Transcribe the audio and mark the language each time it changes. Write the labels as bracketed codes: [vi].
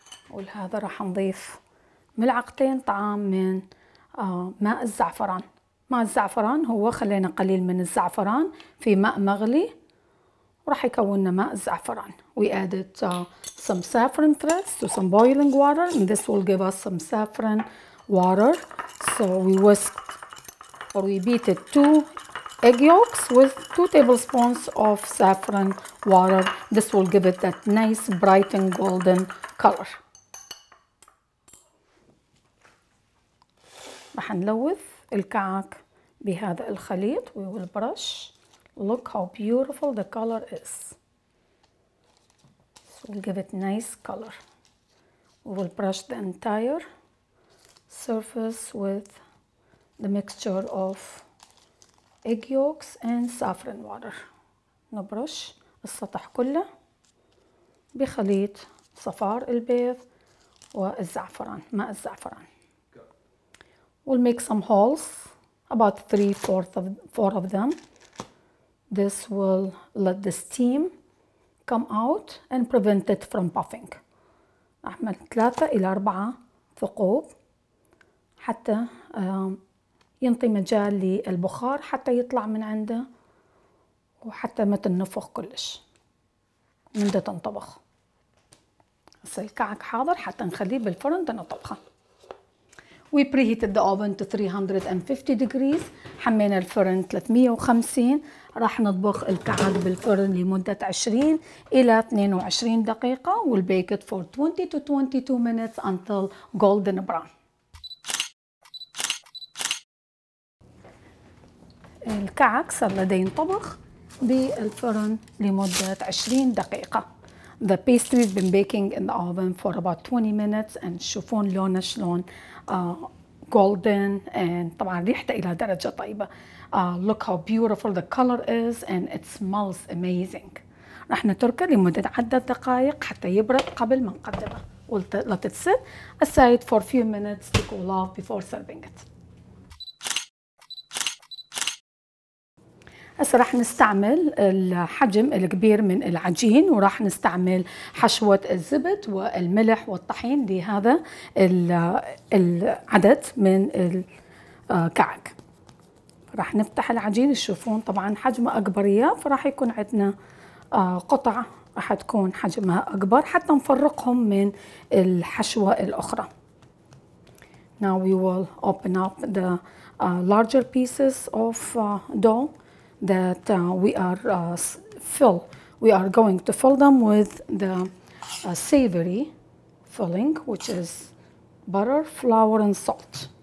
[ar] ولهذا راح نضيف ملعقتين طعام من ماء الزعفران. ماء الزعفران هو خلينا قليل من الزعفران في ماء مغلي، راح يكون ماء الزعفران. [en] We added some saffron threads to some boiling water and this will give us some saffron water. So we whisked or we beated two egg yolks with two tablespoons of saffron water. This will give it that nice bright and golden color. [ar] راح نلوث الكعك بهذا الخليط. [en] We will brush. Look how beautiful the color is. So we'll give it nice color. We will brush the entire surface with the mixture of egg yolks and saffron water. [ar] نبرش السطح كله بخليط صفار البيض والزعفران، ماء الزعفران. [en] We'll make some holes about 3/4 of them. This will let the steam come out and prevent it from puffing. [ar] أعمل 3 إلى 4 ثقوب حتى ينطي مجال للبخار حتى يطلع من عنده وحتى ما تنفخ كلش من ده تنطبخ. هسه الكعك حاضر حتى نخليه بالفرن تنطبخه. [en] We preheated the oven to 350 degrees. [ar] حمينا الفرن 350. راح نطبخ الكعك بالفرن لمدة 20 إلى 22 دقيقة. [en] We'll bake it for 20 to 22 minutes until golden brown. [ar] الكعك صار لدي نطبخ بالفرن لمدة 20 دقيقة. [en] The pastry has been baking in the oven for about 20 minutes and [ar] شوفون لونه شلون [en] golden and [ar] طبعا ريحته الى درجة طيبة. [en] Look how beautiful the color is and it smells amazing. [ar] راح نتركه لمدة عدة دقائق حتى يبرد قبل ما نقدمه. [en] Let it sit aside for a few minutes to cool off before serving it. [ar] هسه راح نستعمل الحجم الكبير من العجين وراح نستعمل حشوة الزبد والملح والطحين لهذا العدد من الكعك. راح نفتح العجين، تشوفون طبعا حجمه اكبر اياه، فراح يكون عندنا قطع راح تكون حجمها اكبر حتى نفرقهم من الحشوة الاخرى. [en] Now we will open up the larger pieces of dough that we are going to fill them with the savory filling, which is butter, flour and salt.